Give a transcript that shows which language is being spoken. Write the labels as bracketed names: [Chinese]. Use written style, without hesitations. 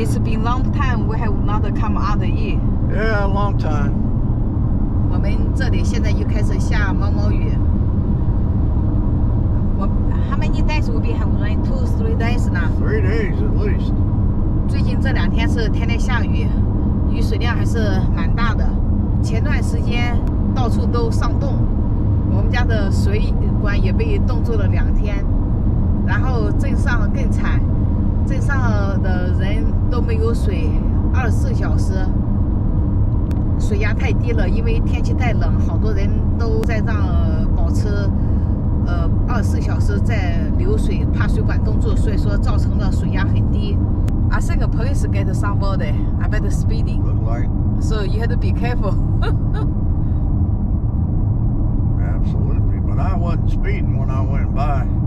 [English] It's been a long time we have not come out here. Yeah, a long time. [Chinese] 我们这里现在又开始下毛毛雨。 [English] How many days will be have rain? 2-3 days now? 3 days at least. [Chinese] 最近这两天是天天下雨，雨水量还是蛮大的。前段时间到处都上冻，我们家的水管也被冻住了两天，然后镇上更惨，镇上的人都没有水，24小时，水压太低了，因为天气太冷，好多人都在让保持24小时在流水，怕水管冻住，所以说造成了水压很低。 [English] I think a police get somebody about the speeding. Look like. So you have to be careful. Absolutely, but I wasn't speeding when I went by.